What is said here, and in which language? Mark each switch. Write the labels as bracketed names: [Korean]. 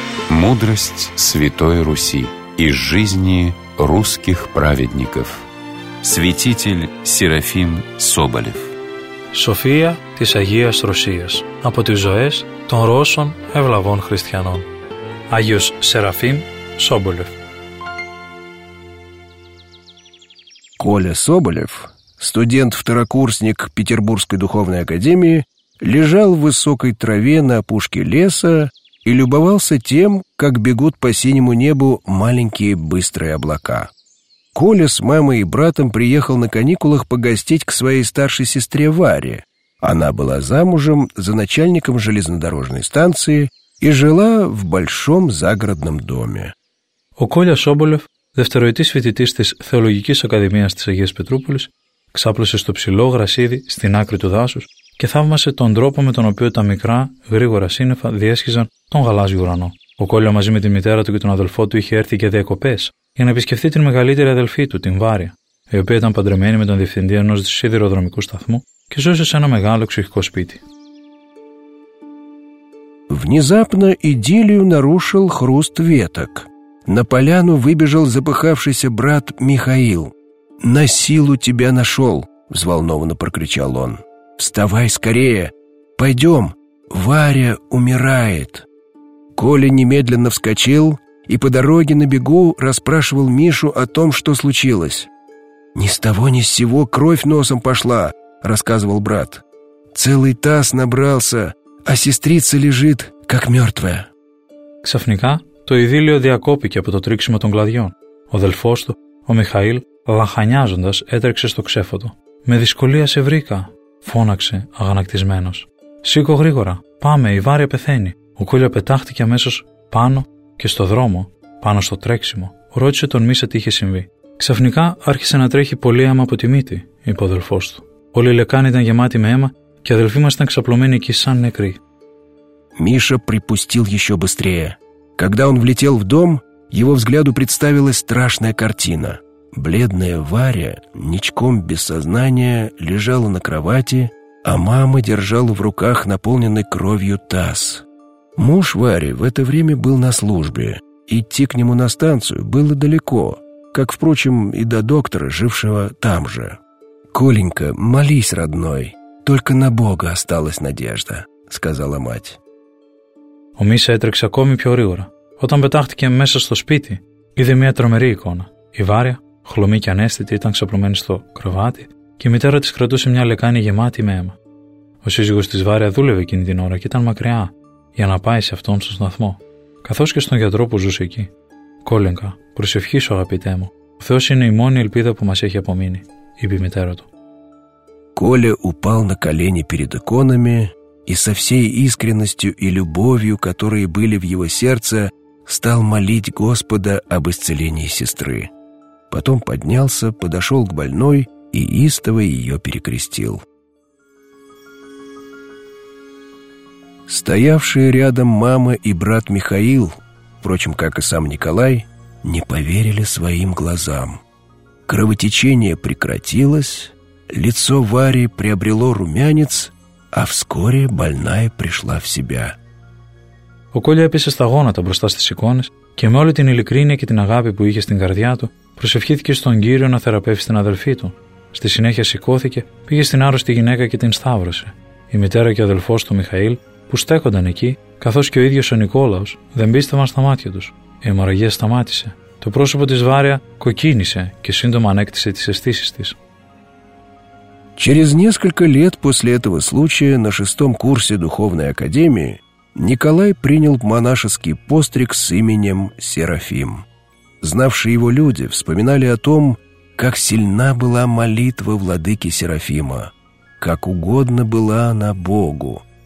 [Russian] Мудрость Святой Руси из жизни русских праведников. Святитель Серафим Соболев. [Greek] София της Αγίας Ρωσίας από τις ζωές των Ρώσων ευλαβών χριστιανών. Άγιος Σεραφείμ Σόμπολεφ. [Russian] Коля Соболев, студент-второкурсник Петербургской духовной академии, лежал в высокой траве на опушке леса и любовался тем, как бегут по синему небу маленькие быстрые облака. Коля с мамой и братом приехал на каникулах погостить к своей старшей сестре Варе. Она была замужем за начальником железнодорожной станции и жила в большом загородном доме. [Greek] Ο Коля Соболев, δευτεροετής φοιτητής της Θεολογικής Ακαδημίας της Αγίας Πετρούπολης, ξάπλωσε στο ψηλό γρασίδι στην άκρη του δάσους και θαύμασε τον τρόπο με τον οποίο τα μικρά, γρήγορα σύννεφα διέσχιζαν τον γαλάζιο ουρανό. Ο Κόλλιο μαζί με τη μητέρα του και τον αδελφό του είχε έρθει και διακοπές για να επισκεφθεί την μεγαλύτερη αδελφή του, την Βάρια, η οποία ήταν παντρεμένη με τον διευθυντή ενός σιδηροδρομικού σταθμού και ζούσε σε ένα μεγάλο εξοχικό σπίτι. [Russian] Внезапно идиллию нарушил хруст веток. На поляну выбежал запыхавшийся брат Михаил. «На силу тебя нашел!» — взволнованно прокричал он. «Вставай скорее! Пойдем! Варя умирает!» Коля немедленно вскочил и по дороге на бегу расспрашивал Мишу о том, что случилось. «Ни с того ни с сего кровь носом пошла!» — рассказывал брат. «Целый таз набрался, а сестрица лежит, как мертвая!» [Greek] Ксафника το ειδήλιο διακόπηκε από το τρίξιμο των κλαδιών. Ο αδελφός του, ο Μιχαήλ, λαχανιάζοντας, έτρεξε στο ξέφωτο. «Με δυσκολία σε βρήκα», φώναξε αγανακτισμένος. «Σήκω γρήγορα, πάμε, η Βάρια πεθαίνει». Ο Κόλλιο πετάχτηκε αμέσως πάνω και στο δρόμο, πάνω στο τρέξιμο. Ρώτησε τον Μίσα τι είχε συμβεί. «Ξαφνικά άρχισε να τρέχει πολύ αίμα από τη μύτη», είπε ο αδελφός του. «Όλη η λεκάνη ήταν γεμάτη με αίμα και οι αδελφοί μας ήταν ξαπλωμένοι εκεί σαν νεκροί». [Russian] Μίσα припустил еще быстрее. Когда он влетел в дом, его взгляду представилась страшная картина. Бледная Варя, ничком без сознания, лежала на кровати, а мама держала в руках наполненный кровью таз. Муж Вари в это время был на службе. Идти к нему на станцию было далеко, как, впрочем, и до доктора, жившего там же. «Коленька, молись, родной, только на Бога осталась надежда», — сказала мать. [Greek] Ο Μίσα έτρεξε ακόμη πιο γρήγορα. Όταν πετάχτηκε μέσα στο σπίτι, είδε μια τρομερή εικόνα. Η Βάρια, χλωμή και ανέστητη, ήταν ξαπλωμένη στο κρεβάτι και η μητέρα της κρατούσε μια λεκάνη γεμάτη με αίμα. Ο σύζυγος της Βάρια δούλευε εκείνη την ώρα και ήταν μακριά για να πάει σε αυτόν στον σταθμό, καθώς και στον γιατρό που ζούσε εκεί. «Κόλλιγκα, προσευχήσου, αγαπητέ μου. Ο Θεός είναι η μόνη ελπίδα που μας έχει απομείνει», είπε η μητέρα του. [Russian] Κόλλιο упал на колени перед иконами и со всей искренностью и любовью, которые были в его сердце, стал молить Господа об исцелении сестры. Потом поднялся, подошел к больной и истово ее перекрестил. Стоявшие рядом мама и брат Михаил, впрочем, как и сам Николай, не поверили своим глазам. Кровотечение прекратилось, лицо Вари приобрело румянец, а вскоре больная пришла в себя. [Greek] Ο Κόλλι έπεσε στα γόνατα μπροστά στις εικόνες και με όλη την ειλικρίνεια και την αγάπη που είχε στην καρδιά του, προσευχήθηκε στον Κύριο να θεραπεύσει την αδελφή του. Στη συνέχεια σηκώθηκε, πήγε στην άρρωστη γυναίκα και την σταύρωσε. Η μητέρα και ο αδελφός του Μιχαήλ, που στέκονταν εκεί, καθώς και ο ίδιος ο Νικόλαος, δεν πίστευαν στα μάτια τους. Η αιμορραγία σταμάτησε. Το πρόσωπο της Βάρια κοκκίνησε και σύντομα ανέκτησε τις αισθήσεις της. [Russian] Через несколько лет после этого случая на шестом курсе духовной академии Николай принял монашеский постриг с именем Серафим. Знавшие его люди вспоминали о том, как сильна была молитва владыки Серафима, как угодно была она Богу.